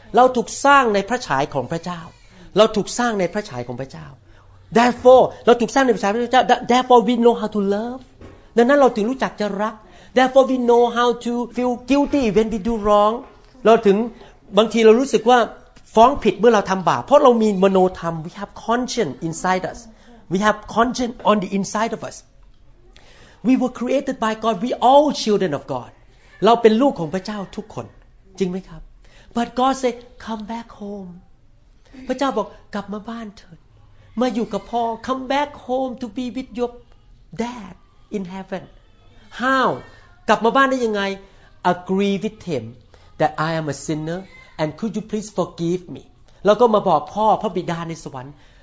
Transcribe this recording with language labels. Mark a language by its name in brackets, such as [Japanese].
[Thai] เราถูกสร้างในพระฉายของพระเจ้าเราถูกสร้างในพระฉายของพระเจ้า Therefore, เราถูกสร้างในพระฉายของพระเจ้า [English] Therefore, we know how to love. [Thai] ดังนั้นเราถึงรู้จักจะรัก [English] Therefore, we know how to feel guilty when we do wrong. [Thai] เราถึงบางทีเรารู้สึกว่าฟ้องผิดเมื่อเราทำบาปเพราะเรามีมโนธรรม [English] We have conscience inside us. We have conscience on the inside of us. We were created by God. We all children of God. [Thai] เราเป็นลูกของพระเจ้าทุกคนจริงไหมครับ [English] But God say come back home [Thai] พระเจ้าบอกกลับมาบ้านเถิดมาอยู่กับพ่อ [English] come back home to be with your dad in heaven how [Thai] กลับมาบ้านได้ยังไง [English] agree with him that I am a sinner and could you please forgive me [Thai] แล้วก็มาบอกพ่อพระบิดาในสวรรค์